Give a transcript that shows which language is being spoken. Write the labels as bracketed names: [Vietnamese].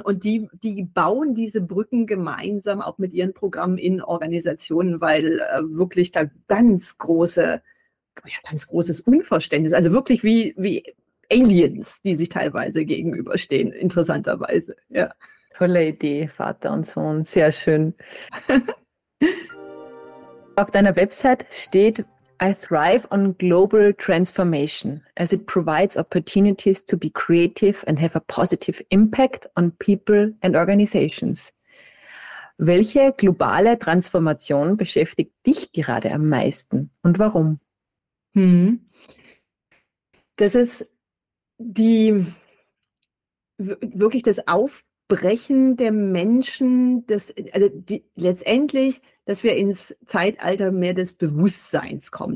[German] Und die bauen diese Brücken gemeinsam auch mit ihren Programmen in Organisationen, weil wirklich da ganz großes Unverständnis. Also wirklich wie Aliens, die sich teilweise gegenüberstehen, interessanterweise. Ja. Tolle Idee, Vater und Sohn, sehr schön. Auf deiner Website steht, [English] I thrive on global transformation, as it provides opportunities to be creative and have a positive impact on people and organizations. [German] Welche globale Transformation beschäftigt dich gerade am meisten und warum? Das ist wirklich das Aufbrechen der Menschen, letztendlich, dass wir ins Zeitalter mehr des Bewusstseins kommen.